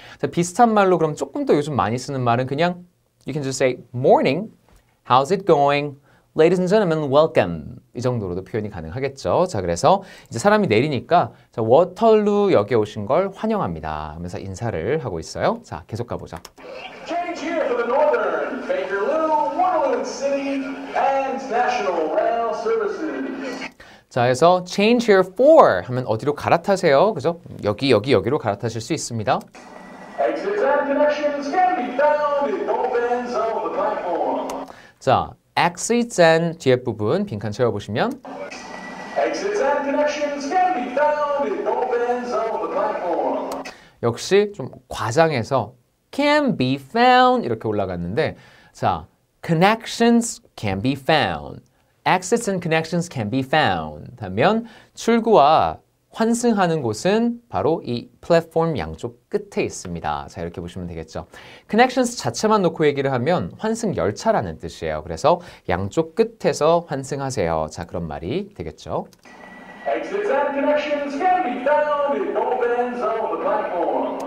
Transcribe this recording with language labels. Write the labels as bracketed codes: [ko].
[ko] 자, 비슷한 말로 그럼 조금 더 요즘 많이 쓰는 말은 그냥 [en] You can just say, morning, how's it going? Ladies and gentlemen, welcome. [ko] 이 정도로도 표현이 가능하겠죠. 자, 그래서 이제 사람이 내리니까 자, 워털루 역에 오신 걸 환영합니다 하면서 인사를 하고 있어요. 자, 계속 가보죠. [en] Change here for the Northern, Bakerloo, Waterloo City, and National Rail Services. [ko] 자, 그래서 [en] change here for [ko] 하면 어디로 갈아타세요. 그죠? 여기, 여기, 여기로 갈아타실 수 있습니다. [en] Exit and connections can be found in both ends of the platform. [ko] 자, [en] exits and [ko] 뒤에 부분 빈칸 채워보시면 [en] Exits and connections can be found in both ends of the platform. [ko] 역시 좀 과장해서 [en] can be found [ko] 이렇게 올라갔는데 자, [en] connections can be found. Exits and connections can be found. [ko] 하면 출구와 환승하는 곳은 바로 이 플랫폼 양쪽 끝에 있습니다. 자, 이렇게 보시면 되겠죠. Connections 자체만 놓고 얘기를 하면 환승 열차라는 뜻이에요. 그래서 양쪽 끝에서 환승하세요. 자, 그런 말이 되겠죠. [en] Exits and connections can be found in both ends of the platform.